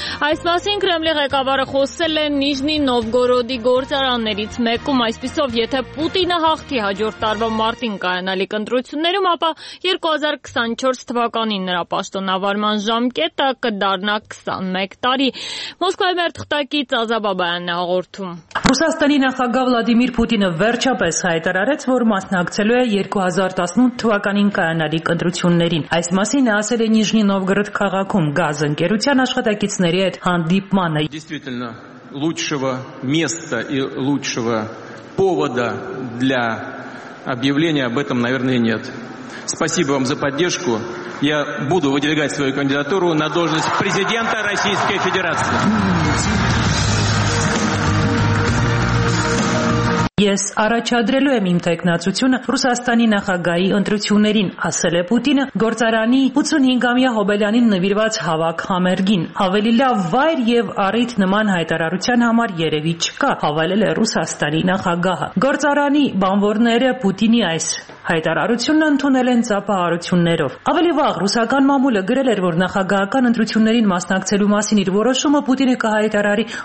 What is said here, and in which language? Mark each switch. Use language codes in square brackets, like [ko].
[hy] Այս մասին Կրեմլի ղեկավարը խոսել է Նիժնի Նովգորոդի գործարաններից մեկում, այսպիսով, եթե Պուտինը հաղթի հաջորդ տարվա մարտին կայանալիք ընտրություններում, ապա 2024 թվականին նրա պաշտոնավարման ժամկետը կդառնա 21 տարի։ Մոսկվայի մեր թղթակից Ազաբաբայանն է հաղորդում։ Ռուսաստանի նախագահ Վլադիմիր Պուտինը վերջապես հայտարարեց, որ մասնակցելու է 2018 թվականին կայանալիք ընտրություններին։ Այս մասին ասել է Նիժնի Նովգորոդ քաղաքում գազ ընկերության աշխատակիցների հետ հանդիպմանը։ [ru] Действительно, лучшего места и лучшего повода для объявления об этом, наверное, нет. Спасибо вам за поддержку. Я буду выдвигать свою кандидатуру на должность президента Российской Федерации. [hy] Ես առաջադրելու եմ իմ տեկնացությունը Ռուսաստանի նախագահի ընտրություններին, ասել է Պուտինը գործարանի 85-ամյա Հոբելյանին նվիրված հավաք համերգին։ Ավելի լավ վայր եւ առիթ նման հայտարարության համար երևի չկա, հավելել է Ռուսաստանի նախագահը։ Գործարանի բանվորները Պուտինի այս հայտարարությունը ընդունել են ծափահարություններով։ Ավելի վաղ ռուսական մամուլը գրել էր, որ նախագահական ընտրություններին մասնակցելու մասին իր որոշումը Պուտինը կհայտարարի